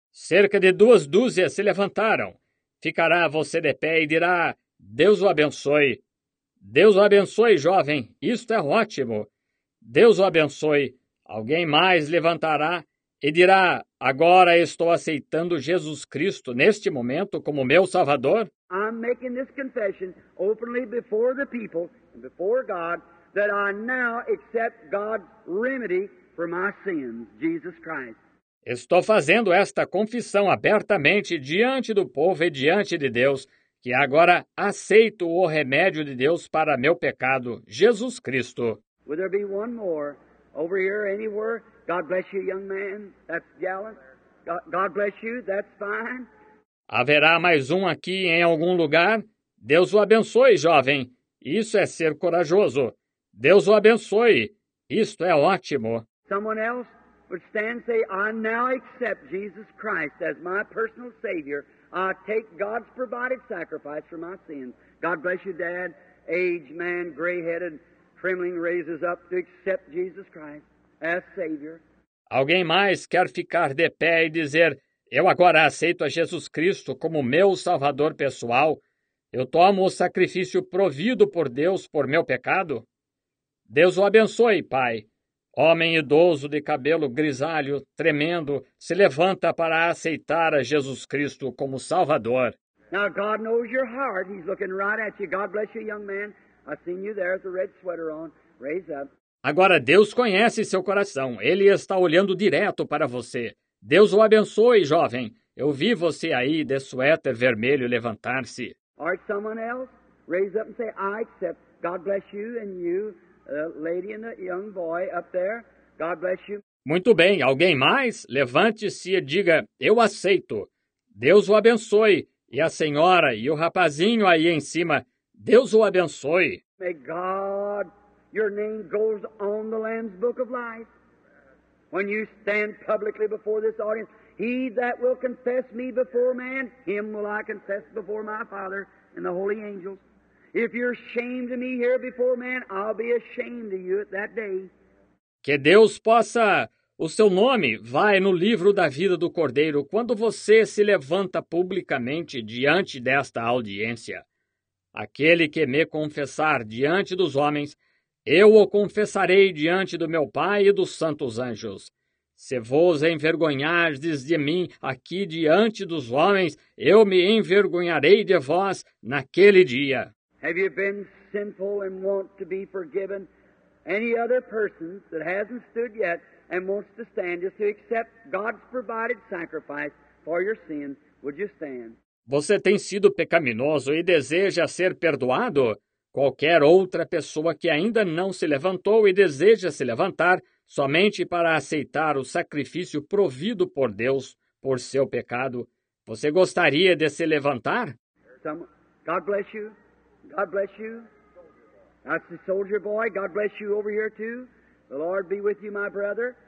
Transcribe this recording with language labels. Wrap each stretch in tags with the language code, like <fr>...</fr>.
<pt>Cerca de 2 dúzias se levantaram. Ficará você de pé e dirá, Deus o abençoe. Deus o abençoe, jovem. Isto é ótimo. Deus o abençoe. Alguém mais levantará e dirá, agora estou aceitando Jesus Cristo neste momento como meu Salvador.</pt> <en>I'm making this confession openly before the people and before God, that I now accept God's remedy for my sins, Jesus Christ.</en> <pt>Estou fazendo esta confissão abertamente diante do povo e diante de Deus, que agora aceito o remédio de Deus para meu pecado, Jesus Cristo.</pt> <en>Would there be one more over here anywhere? God bless you, young man. That's gallant. God bless you. That's fine.</en> <pt>Haverá mais um aqui em algum lugar? Deus o abençoe, jovem. Isso é ser corajoso. Deus o abençoe. Isto é ótimo.</pt> <en>Someone else would stand and say, I now accept Jesus Christ as my personal Savior. I take God's provided sacrifice for my sins. God bless you, Dad. Aged man, gray-headed, trembling, raises up to accept Jesus Christ as Savior.</en> <pt>Alguém mais quer ficar de pé e dizer, eu agora aceito a Jesus Cristo como meu Salvador pessoal. Eu tomo o sacrifício provido por Deus por meu pecado. Deus o abençoe, Pai. Homem idoso de cabelo grisalho, tremendo, se levanta para aceitar a Jesus Cristo como Salvador.</pt> <en>Now God knows your heart. He's looking right at you. God bless you, young man. I've seen you there with the red sweater on. Raise up.</en> <pt>Agora Deus conhece seu coração. Ele está olhando direto para você. Deus o abençoe, jovem. Eu vi você aí de suéter vermelho levantar-se.</pt> <en>Or someone else, raise up and say, I accept. God bless you and you. Lady and the young boy up there. God bless you.</en> <pt>Muito bem. Alguém mais? Levante-se e diga, eu aceito. Deus o abençoe. E a senhora e o rapazinho aí em cima, Deus o abençoe.</pt> <en>May God, your name goes on the Lamb's Book of Life. When you stand publicly before this audience, he that will confess me before man, him will I confess before my Father and the holy angels. If you're ashamed of me here before man, I'll be ashamed of you at that day.</en> <pt>Que Deus possa... O seu nome vai no livro da vida do Cordeiro quando você se levanta publicamente diante desta audiência. Aquele que me confessar diante dos homens, eu o confessarei diante do meu Pai e dos santos anjos. Se vos envergonhardes de mim aqui diante dos homens, eu me envergonharei de vós naquele dia.</pt> <en>Have you been sinful and want to be forgiven? Any other person that hasn't stood yet and wants to stand just to accept God's provided sacrifice for your sin, would you stand?</en> <pt>Você tem sido pecaminoso e deseja ser perdoado? Qualquer outra pessoa que ainda não se levantou e deseja se levantar somente para aceitar o sacrifício provido por Deus por seu pecado, você gostaria de se levantar?</pt> <en>God bless you. God bless you. That's the soldier boy. God bless you over here too. The Lord be with you, my brother.</en>